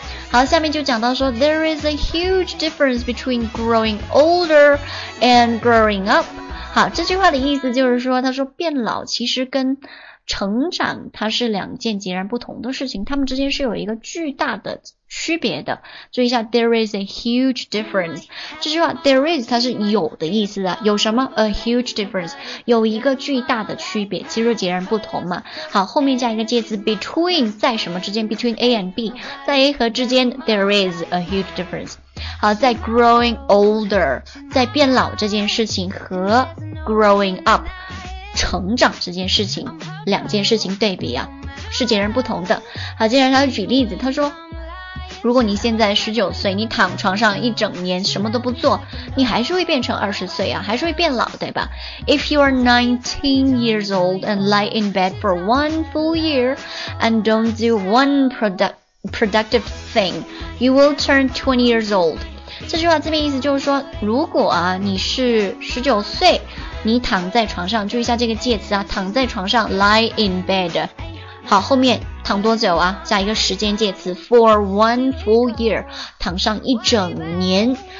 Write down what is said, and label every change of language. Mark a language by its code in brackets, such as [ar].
[zh] 好，下面就讲到说 [en] ，there is a huge difference between growing older and growing up。 [zh] 好，这句话的意思就是说，他说变老其实跟成长它是两件截然不同的事情，他们之间是有一个巨大的区别的。注意一下 [en] there is a huge difference， [zh] 这句话 [en] there is [zh] 它是有的意思啊，有什么 [en] a huge difference， [zh] 有一个巨大的区别，其实截然不同嘛。好，后面加一个介词 between， 在什么之间， [en] between A and B， [zh] 在 A 和之间 [en] there is a huge difference。 [zh] 好，在 [en] growing older， [zh] 在变老这件事情和 [en] growing up [zh] 成长这件事情，两件事情对比啊，是截然不同的。好，接下来他举例子，他说，如果你现在19岁，你躺床上一整年什么都不做，你还是会变成20岁啊，还是会变老，对吧？ [en] If you are 19 years old and lie in bed for one full year and don't do one productive thing, you will turn 20 years old。 [zh] 这句话字面意思就是说，如果啊你是19岁，你躺在床上，注意一下这个介词啊，躺在床上 [en] lie in bed。 [zh] 好，后面躺多久啊，加一个时间介词 [en] for one full year， [zh] 躺上一整年。